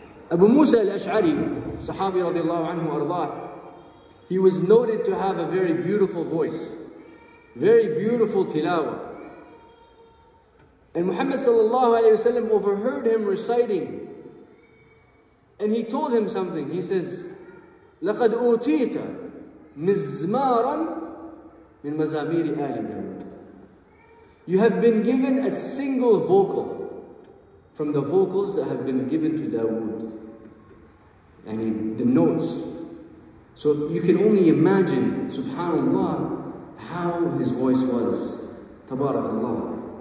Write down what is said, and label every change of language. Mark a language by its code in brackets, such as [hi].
[en] Abu Musa al-Ash'ari, Sahabi radiallahu anhu arzah, he was noted to have a very beautiful voice, very beautiful tilawah. And Muhammad sallallahu alayhi wasallam overheard him reciting, and he told him something. He says, [ar] لَقَدْ أُوتِيتَ مِزْمَارًا مِنْ مَزَامِيرِ آلِ دَوُدٍ. [en] You have been given a single vocal from the vocals that have been given to Dawood. I mean, the notes. So you can only imagine, subhanAllah, how his voice was. Tabarakallah.